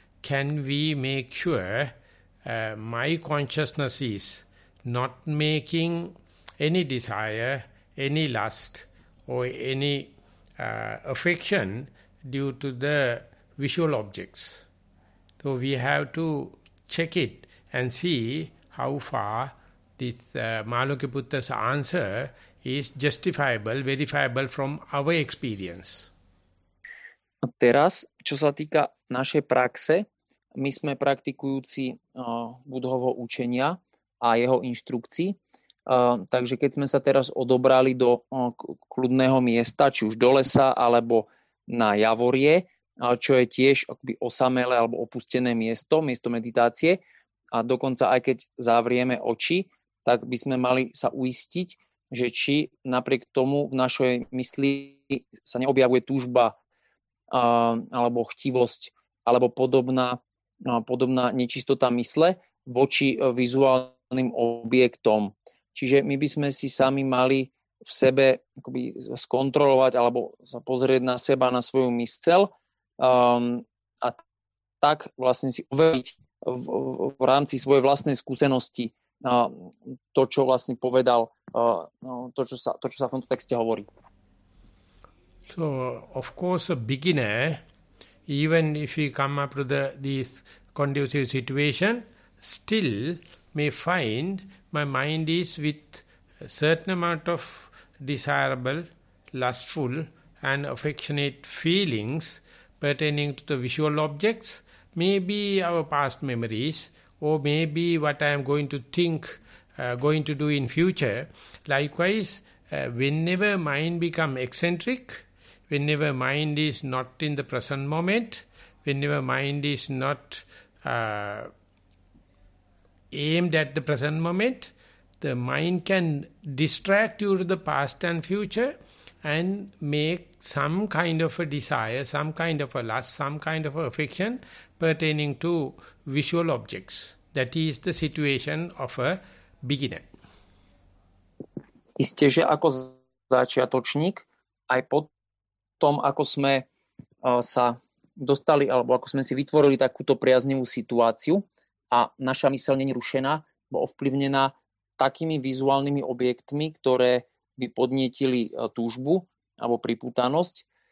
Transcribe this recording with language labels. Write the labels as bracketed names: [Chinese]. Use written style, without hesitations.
[English] can we make sure my consciousness is not making any desire, any lust, or any affection due to the visual objects? So we have to check it and see how far this Malukyaputta's answer is justifiable, verifiable from our experience. [Slovak] A teraz, čo sa týka našej praxe, my sme praktikujúci Budhovo učenia a jeho inštrukcií. Takže keď sme sa teraz odobrali do kľudného miesta, či už do lesa, alebo na javorie, čo je tiež akoby osamelé alebo opustené miesto, miesto meditácie, a dokonca aj keď zavrieme oči, tak by sme mali sa uistiť, že či napriek tomu v našej mysli sa neobjavuje túžba alebo chtivosť alebo podobná nečistota mysle voči vizuálnym objektom. Čiže my by sme si sami mali v sebe akoby skontrolovať alebo sa pozrieť na seba, na svoju mysel a tak vlastne si overiť v rámci svojej vlastnej skúsenosti to, čo vlastne povedal, to, čo sa v tomto texte hovorí. [English] So, of course, a beginner, even if he come up to this conducive situation, still may find my mind is with a certain amount of desirable, lustful and affectionate feelings pertaining to the visual objects, maybe our past memories, or maybe what I am going to think, going to do in future. Likewise, whenever mind become eccentric, whenever mind is not in the present moment, whenever mind is not aimed at the present moment, the mind can distract you to the past and future and make some kind of a desire, some kind of a lust, some kind of affection pertaining to visual objects. That is the situation of a beginner. [Slovak] Isté, že ako začiatočník, aj po tom, ako sme sa dostali, alebo ako sme si vytvorili takúto priaznivú situáciu a naša myseľ není rušená, bo ovplyvnená takými vizuálnymi objektmi, ktoré by podnietili túžbu alebo pripútanosť.